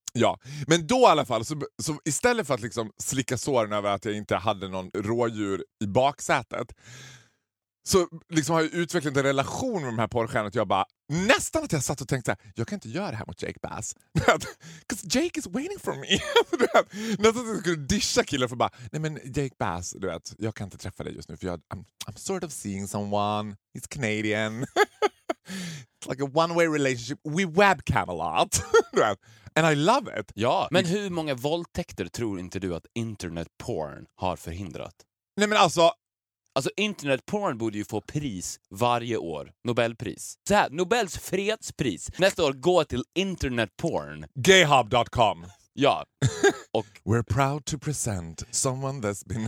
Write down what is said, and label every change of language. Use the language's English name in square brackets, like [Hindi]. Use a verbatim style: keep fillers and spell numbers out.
[Swedish] Ja, men då i alla fall så, så istället för att liksom slicka såren över att jag inte hade någon rådjur i baksätet, så liksom har jag utvecklat en relation med de här porrstjärnorna att jag bara, nästan att jag satt och tänkte såhär, jag kan inte göra det här mot Jake Bass. [English] Because Jake is waiting for me. [Swedish] Du vet, nästan att jag skulle discha killar för bara, nej men Jake Bass, du vet, jag kan inte träffa dig just nu för jag, [English] I'm, I'm sort of seeing someone, he's Canadian. It's like a one way relationship, we webcam a lot. [Swedish] Du vet, [English] and I love it. [Swedish] Ja, men hur många våldtäkter tror inte du att internetporn har förhindrat? Nej men alltså... Alltså internetporn borde ju få pris varje år. Nobelpris. Så här, Nobels fredspris. Nästa år går till internetporn. [English] Gayhub dot com. [Swedish] Ja. Och [English] we're proud to present someone that's been...